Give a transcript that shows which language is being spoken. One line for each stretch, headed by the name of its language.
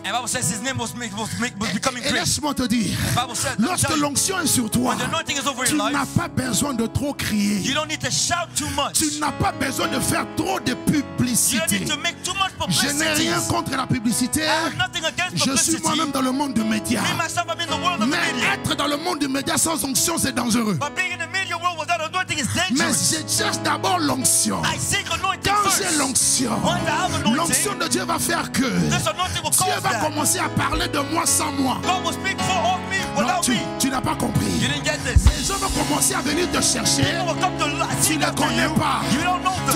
English: And Bible says his name was becoming great.
French: Et laisse-moi te dire, lorsque l'onction est sur toi, tu n'as pas besoin de trop crier.
English: You don't need to shout too much.
French: Tu n'as pas besoin de faire trop de publicité.
English: You don't need to make too much publicity.
French: Je n'ai rien contre la publicité.
English: I have nothing against publicity.
French: Je suis moi-même dans le monde des médias.
English: Me, myself, I'm in the world of
French: mais
English: the media.
French: Être dans le monde des médias sans onction, c'est dangereux.
English: But being in the media world without anointing is dangerous.
French: Mais je cherche d'abord l'onction.
English: I seek anointing
French: quand
English: first.
French: J'ai l'onction, l'onction de Dieu va faire que
English: this
French: Dieu va
English: that.
French: Commencer à parler de moi sans moi.
English: God will speak for all me.
French: Non, tu n'as pas compris.
English: You didn't get this.
French: Les gens vont commencer à venir te chercher. Tu ne les connais
English: you.
French: Pas.
English: You don't know them.